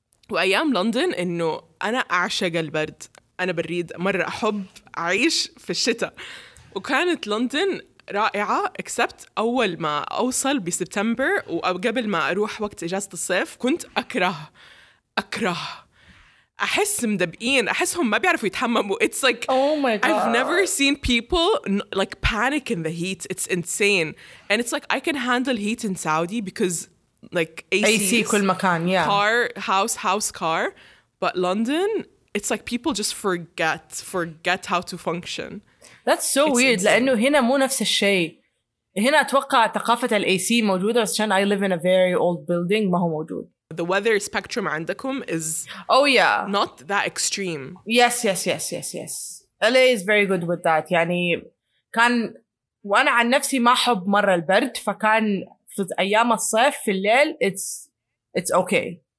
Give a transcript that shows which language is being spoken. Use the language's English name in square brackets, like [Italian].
[Arabic] وأيام لندن إنه أنا أعشق البرد أنا بريد مرة أحب أعيش في الشتاء وكانت لندن رائعة except أول ما أوصل بسبتمبر وقبل ما أروح وقت إجازة الصيف كنت أكره أحس مدبقين أحسهم ما بيعرفوا يتحمموا [English] It's like oh my God. I've never seen people like panic in the heat It's insane And it's like I can handle heat in Saudi because like [Arabic] AC كل مكان yeah. [English] Car, house, car But London It's like people just forget how to function. That's so It's weird. Insane. [Arabic] لأنه هنا مو نفس الشيء. هنا أتوقع ثقافة الـ AC موجودة عشان [English] I live in a very old building [Arabic] ما هو موجود. [English] The weather spectrum عندكم is oh yeah not that extreme. Yes. LA is very good with that. [Arabic] يعني كان وأنا عن نفسي ما أحب مرة البرد فكان في أيام الصيف في الليل [English] it's okay.